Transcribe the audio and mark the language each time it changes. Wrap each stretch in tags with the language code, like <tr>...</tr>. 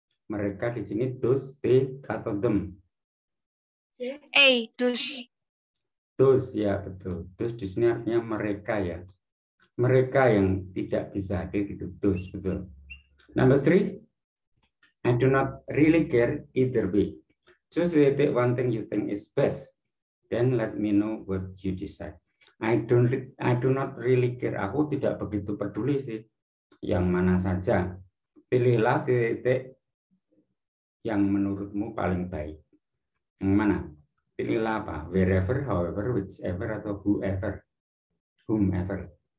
<id>Mereka di sini those, they, atau them?</id> <en>A, those.</en> <id>Those, ya betul. Those di sini artinya mereka ya. Mereka yang tidak bisa hadir itu those, betul.</id> <en>Number 3. I do not really care either way. Just take one thing you think is best. Then let me know what you decide. I do not really care.</en> <id>Aku tidak begitu peduli sih. Yang mana saja. Pilihlah titik yang menurutmu paling baik. Yang mana? Pilihlah apa?</id> <en>Wherever, however, whichever, atau whoever, whomever.</en>